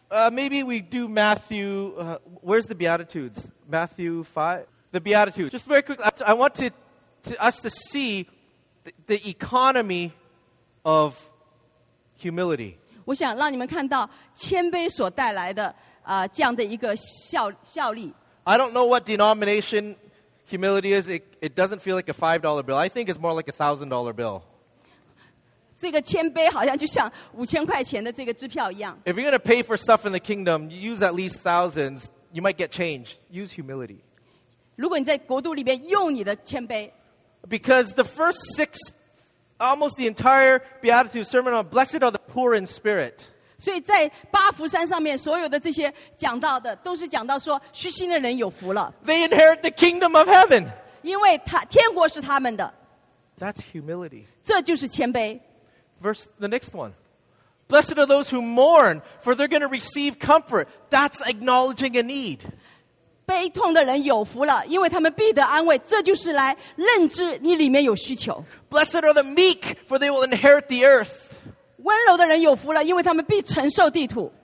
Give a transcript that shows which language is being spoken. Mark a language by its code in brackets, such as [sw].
[en] Maybe we do Matthew. Where's the Beatitudes? Matthew 5? The Beatitudes. Just very quickly, I want us to see the economy of humility. [zh] 我想让你们看到谦卑所带来的这样的一个效力。 [en] I don't know what denomination humility is, it doesn't feel like a $5 bill. I think it's more like a $1,000 bill. [zh] 这个谦卑好像就像5000块钱的这个支票一样。 [en] If you're going to pay for stuff in the kingdom, use at least thousands, you might get change. Use humility. [zh] 如果你在国度里面用你的谦卑。 [en] Because the first six, almost the entire Beatitude Sermon on Blessed are the poor. poor in spirit. [zh] 所以在巴福山上面所有的这些讲到的都是讲到说虚心的人有福了。 [en] They inherit the kingdom of heaven. [zh] 因为天国是他们的。 [en] That's humility. [zh] 这就是谦卑。 [en] Verse the next one. Blessed are those who mourn, for they're going to receive comfort. That's acknowledging a need. [zh] 悲痛的人有福了，因为他们必得安慰。这就是来认知你里面有需求。 [en] Blessed are the meek, for they will inherit the earth. [zh] 温柔的人有福了，因为他们必承受地土。